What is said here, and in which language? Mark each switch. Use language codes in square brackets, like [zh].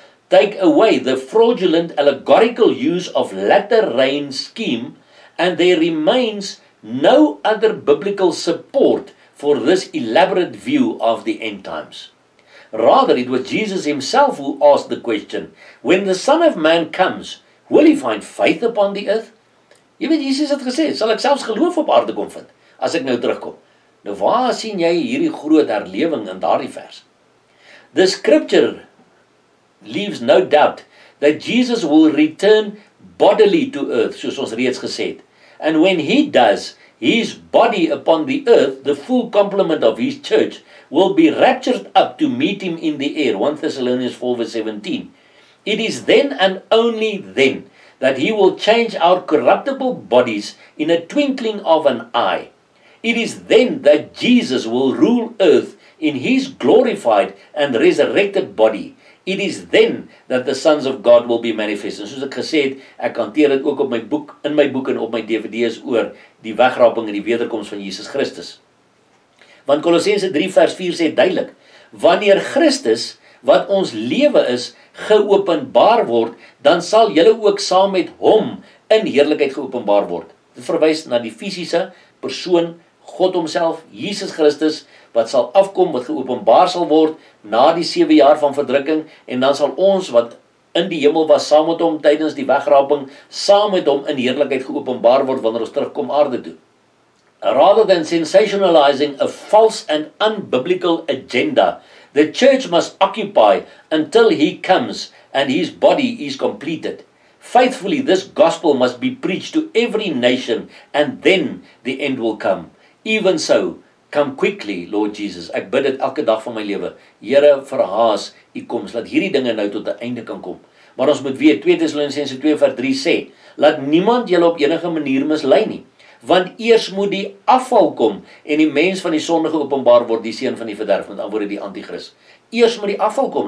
[en] Take away the fraudulent allegorical use of latter rain scheme and there remains no other biblical support for this elaborate view of the end times. Rather, it was Jesus himself who asked the question, when the Son of Man comes, will he find faith upon the earth? [af] Jy weet, Jesus het gesê, sal ek selfs geloof op aarde kom vind, as ek nou terugkom. Nou waar sien jy hierdie groot herlewing in daardie vers? [en] The scripture leaves no doubt that Jesus will return bodily to earth, [af] soos ons reeds gesê het. [en] And when he does, his body upon the earth, the full complement of his church, will be raptured up to meet him in the air, 1 Thessalonians 4 verse 17. It is then and only then that he will change our corruptible bodies in a twinkling of an eye. It is then that Jesus will rule earth in his glorified and resurrected body. It is then that the sons of God will be manifest. [af] En soos ek gesê het, ek hanteer dit ook op my boek, in my boek en op my DVD's oor die wegraping en die wederkoms van Jesus Christus. Want Kolossense 3 vers 4 sê duidelik, wanneer Christus, wat ons lewe is, geopenbaar word, dan sal julle ook saam met hom in heerlikheid geopenbaar word. Dit verwys na die fisiese persoon, God homself, Jesus Christus, wat sal afkom, wat geopenbaar sal word, na die 7 jaar van verdrukking, en dan sal ons, wat in die hemel was, saam met hom tydens die wegraping, saam met hom in heerlikheid geopenbaar word, wanneer ons terugkom aarde toe. [en] Rather than sensationalizing a false and unbiblical agenda, the church must occupy until he comes and his body is completed. Faithfully, this gospel must be preached to every nation, and then the end will come. Even so, come quickly, Lord Jesus. [af] Ek bid dit elke dag van my lewe. Here, verhaas u koms, laat hierdie dinge nou tot 'n einde kan kom. Maar ons moet weet, 2 Thessalonisense 2 vers 3 sê, laat niemand julle op enige manier mislei nie, want eers moet die afval kom en die mens van die sondige openbaar word, die seun van die verderf, met anderwoorde die anti-kris. Eers moet die afval kom.